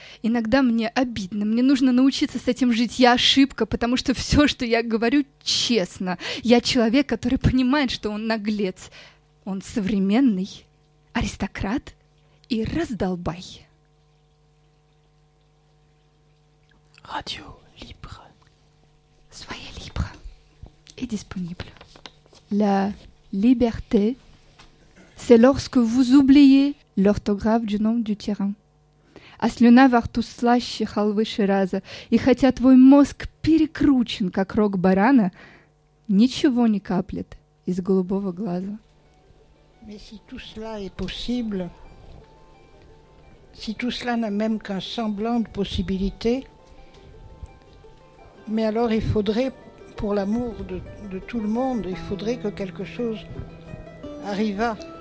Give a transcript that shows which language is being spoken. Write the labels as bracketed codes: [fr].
[ru] Иногда мне обидно, мне нужно научиться с этим жить. Я ошибка, потому что все, что я говорю, честно. Я человек, который понимает, что он наглец. Он современный аристократ и раздолбай. Радио Libre. [fr] Soyez libre et disponible. La liberté, c'est lorsque vous oubliez l'orthographe du nom du terrain. [ru] А слюна во рту слаще халвы Шираза. И хотя твой мозг перекручен, как рог барана, ничего не каплет из голубого глаза. [fr] Mais si tout cela est possible, si tout cela n'a même qu'un semblant de possibilité, mais alors il faudrait, pour l'amour de tout le monde, il faudrait que quelque chose arrivât.